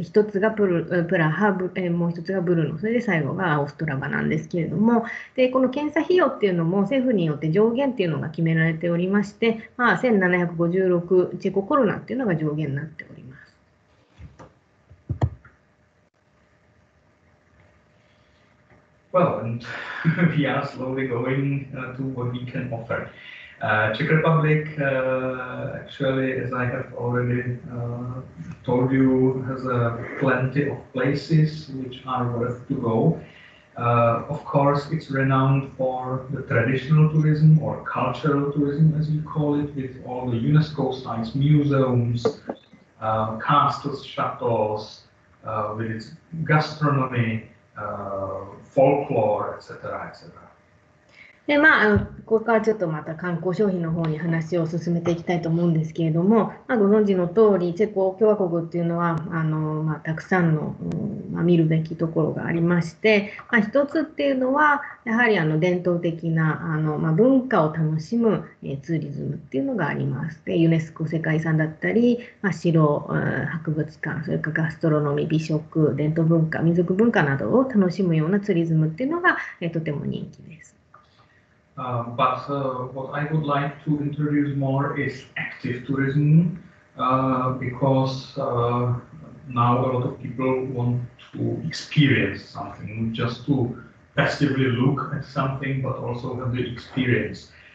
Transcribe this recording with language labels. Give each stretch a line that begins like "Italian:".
Japanese: 1つがプラハ、もう1つがブルノ、それで最後がオストラバなんですけれども、でこの検査費用っていうのも政府によって上限っていうのが決められておりまして、まあ、1756チェココロナっていうのが上限になっております。
English: Well, and we are slowly going to what we can offer. Czech Republic, actually, as I have already told you, has plenty of places which are worth to go. Of course, it's renowned for the traditional tourism or cultural tourism, as you call it, with all the UNESCO sites, museums, castles, chateaus, with its gastronomy, folklore, etc., etc.
Japanese: でまあ、ここからちょっとまた観光消費の方に話を進めていきたいと思うんですけれども、まあ、ご存知の通りチェコ共和国っていうのはまあ、たくさんの、まあ、見るべきところがありまして、まあ、一つっていうのはやはり伝統的なまあ、文化を楽しむツーリズムっていうのがあります。でユネスコ世界遺産だったり、まあ、城、博物館、それからガストロノミー、美食、伝統文化、民族文化などを楽しむようなツーリズムっていうのが、とても人気です。
English: But what I would like to introduce more is active tourism, because now a lot of people want to experience something, not just to passively look at something, but also have the experience.